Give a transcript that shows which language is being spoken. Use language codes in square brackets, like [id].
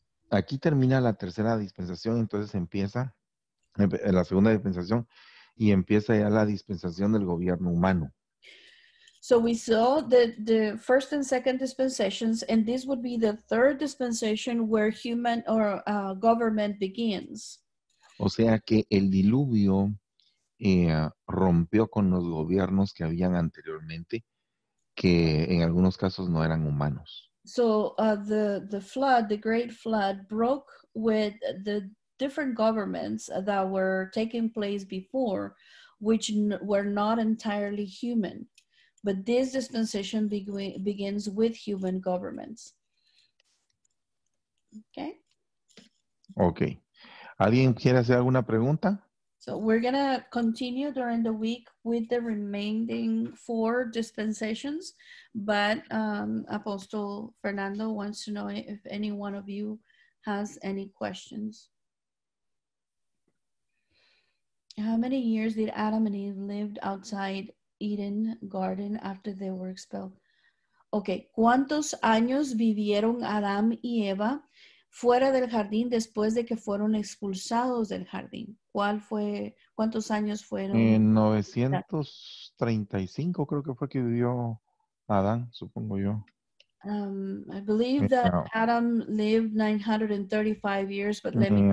[es] Aquí termina la tercera dispensación, entonces empieza la segunda dispensación y empieza ya la dispensación del gobierno humano. [en] So we saw the first and second dispensations, and this would be the third dispensation where human or government begins. [es] O sea que el diluvio rompió con los gobiernos que habían anteriormente, que en algunos casos no eran humanos. [en] So the flood, the great flood, broke with the different governments that were taking place before, which were not entirely human. But this dispensation begins with human governments. Okay. [es] Okay. ¿Alguien quiere hacer alguna pregunta? [en] So we're going to continue during the week with the remaining four dispensations. But Apostle Fernando wants to know if any one of you has any questions. How many years did Adam and Eve live outside Eden Garden after they were expelled? Okay. [es] ¿Cuántos años vivieron Adam y Eva fuera del jardín después de que fueron expulsados del jardín? ¿Cuál fue? ¿Cuántos años fueron? En 935 creo que fue que vivió Adán, supongo yo. [en] I believe that Adam lived 935 years, but let me...